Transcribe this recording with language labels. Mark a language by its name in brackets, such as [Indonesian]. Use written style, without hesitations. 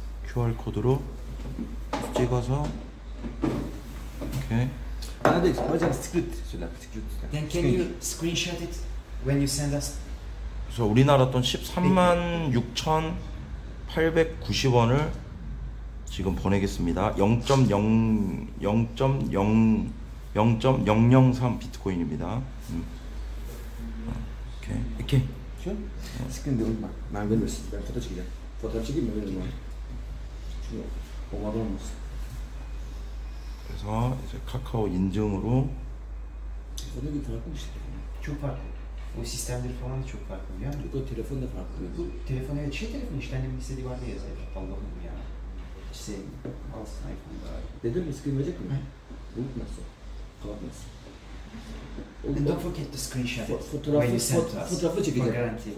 [Korean] QR 코드로 찍어서 오케이. 아네, 맞아. 스크립트 쓰나? 스크립트. [English] Then can you screenshot it when you send us? [Korean] 그래서 우리나라 돈 13만 6,890원을 지금 보내겠습니다. 0.003 비트코인입니다. 오케이. 오케이. 그래서 이제 카카오 인증으로 [English] Don't forget the screenshot when you send to us, for guarantee.